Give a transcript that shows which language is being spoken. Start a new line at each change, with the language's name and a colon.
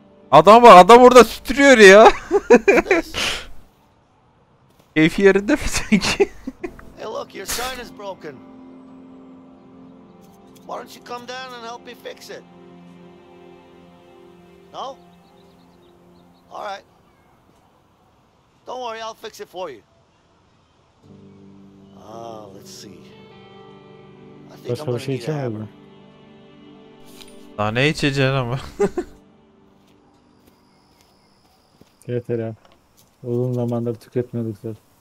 Turkish: Adam bak, adam orada tutturuyor ya. Keyfi yerinde mi sanki?
English: Hey look, your sign is broken. Why don't you come down and help me fix it? No? All right. Don't worry, I'll fix it for you. Let's see.
Turkish: Başka bir şey içeceğim mi? Daha ne içeceğim ama? Yeter ya. Uzun zamandır tüketmiyorduk zaten.